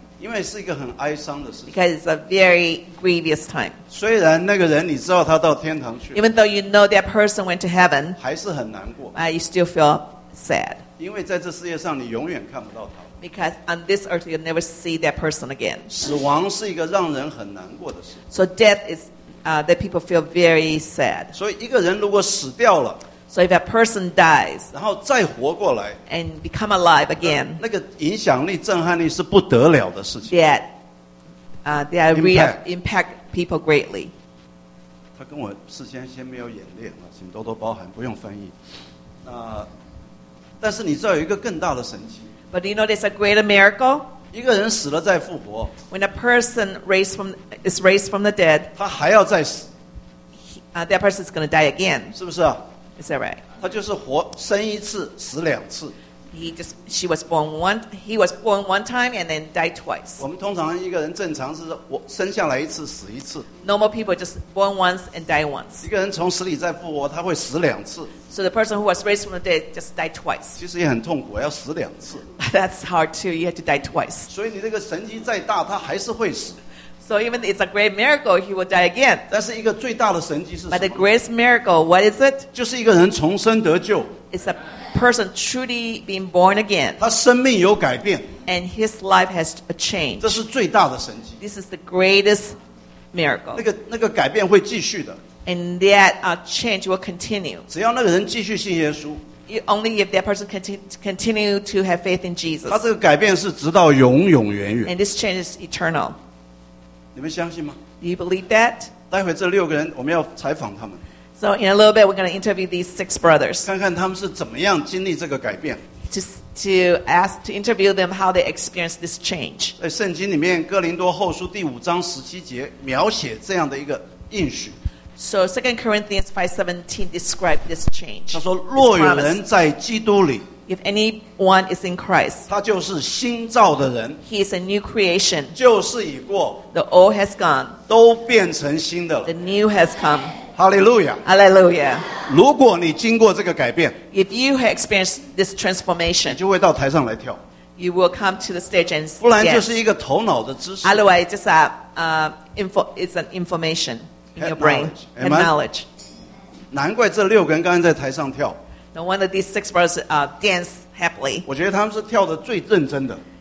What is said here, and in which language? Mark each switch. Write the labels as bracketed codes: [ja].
[zh] 因为是一个很哀伤的事情。 [en] Because it's a very grievous time. [zh] 虽然那个人你知道他到天堂去。 [en] Even though you know that person went to heaven, [zh] 还是很难过。 [en] But you still feel sad. [zh] 因为在这世界上你永远看不到他。 [en] Because on this earth you'll never see that person again. [zh] 死亡是一个让人很难过的事。 [en] So death is. That people feel very sad. [zh] 所以一个人如果死掉了， [en] So if a person dies, [zh] 然后再活过来， [en] and become alive again, [zh] 那个影响力、震撼力是不得了的事情。 [en] That impact. impact people greatly. [zh] 他跟我事先没有演练了，请多多包涵，不用翻译。但是你知道有一个更大的神奇。 [en] But do you know there's a greater miracle? [zh] 一个人死了再复活。 [en] When a person is raised from the dead, [zh] 他还要再死。 [en] That person is going to die again. [zh] 是不是啊？ [en] Is that right? [zh] 他就是活生一次，死两次。 [en] He was born one time and then died twice. [zh] 我们通常一个人正常是我生下来一次死一次。 [en] Normal people just born once and die once. [zh] 一个人从死里再复活，他会死两次。 [en] So the person who was raised from the dead just died twice. [zh] 其实也很痛苦，要死两次。 [en] That's hard too. You have to die twice. [zh] 所以你这个神迹再大，他还是会死。 [en] So even if it's a great miracle, he will die again. [zh] 但是一个最大的神迹是什么？ [en] But the greatest miracle, what is it? [zh] 就是一个人重生得救。 [en] It's a person truly being born again. [zh] 他生命有改变。 [en] And his life has a change. [zh] 这是最大的神迹。 [en] This is the greatest miracle. [zh] 那个改变会继续的。 [en] And that change will continue. [zh] 只要那个人继续信耶稣。 [en] Only if that person continue to have faith in Jesus. [zh] 他这个改变是直到永永远远。 [en] And this change is eternal. [zh] 你们相信吗？ [en] Do you believe that? [zh] 待会这六个人我们要采访他们。 [en] So in a little bit, we're going to interview these six brothers. [zh] 看看他们是怎么样经历这个改变。 [en] To interview them how they experienced this change. [zh] 在圣经里面，哥林多后书第五章十七节描写这样的一个应许。 [en] So 2 Corinthians 5:17 described this change. [zh] 他说，若有人在基督里， [en] If anyone is in Christ, [zh] 他就是新造的人。 [en] He is a new creation. [zh] 旧事已过， [en] The old has gone. [zh] 都变成新的了。 [en] The new has come. Hallelujah. Hallelujah. [zh] 如果你经过这个改变， [en] If you have experienced this transformation, [zh] 你就会到台上来跳。 [en] You will come to the stage and [zh] dance. 不然就是一个头脑的知识。 [en] Otherwise, it's just it's an information in your brain. Head knowledge. [zh] 难怪这六个人刚才在台上跳。 [en] No wonder these six brothers dance happily. [zh] 我觉得他们是跳得最认真的。